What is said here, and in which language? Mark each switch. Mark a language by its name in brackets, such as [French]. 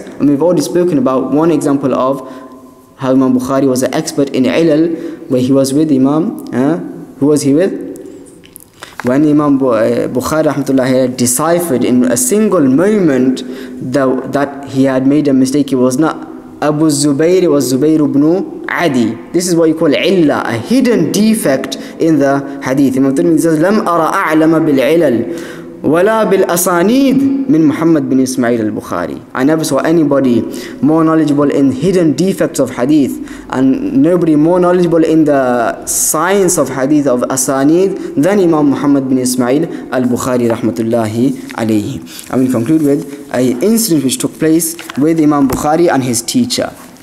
[English] And we've already spoken about one example of how Imam Bukhari was an expert in ilal, where he was with Imam, who was he with? when Imam Bukhari rahmatullah had deciphered in a single moment that he had made a mistake, it was not Abu Zubayr, it was Zubayr ibn Adi. This is what you call illa, a hidden defect in the hadith. Imam Tirmidhi says, [Arabic] لم أرى أعلم بالعلل ولا بالأسانيد من محمد بن إسماعيل البخاري. [English] I never saw anybody more knowledgeable in hidden defects of hadith, and nobody more knowledgeable in the science of hadith of Asanid than Imam Muhammad bin Ismail al-Bukhari rahmatullahi alayhi. I will conclude with an incident which took place with Imam Bukhari and his teacher.